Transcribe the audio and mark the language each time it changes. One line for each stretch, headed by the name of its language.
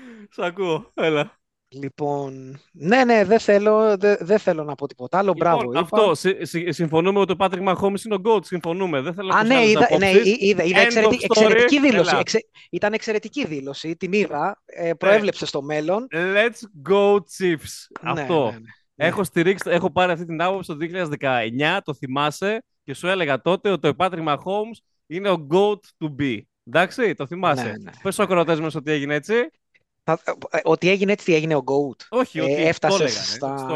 Greek: Σ' ακούω, έλα. Λοιπόν, ναι, ναι, δεν θέλω να πω τίποτα άλλο, λοιπόν, μπράβο. Αυτό, συμφωνούμε ότι ο Patrick Mahomes είναι ο GOAT, συμφωνούμε. Δεν θέλω να πω τίποτα. Α, ναι, είδα εξαιρετική δήλωση. Ήταν εξαιρετική δήλωση, την είδα, προέβλεψε στο μέλλον.
English: Let's go Chiefs,
Greek: αυτό. Έχω στηρίξει, έχω πάρει αυτή την άποψη το 2019, το θυμάσαι. Και σου έλεγα τότε ότι ο Patrick Mahomes είναι ο GOAT to be. Εντάξει, το θυμάσαι. Ναι, ναι. Πες στους ακροατές μας ότι έγινε έτσι. Ότι έγινε έτσι, τι έγινε ο GOAT. Όχι, ότι έφτασες το έλεγα. Στα... Το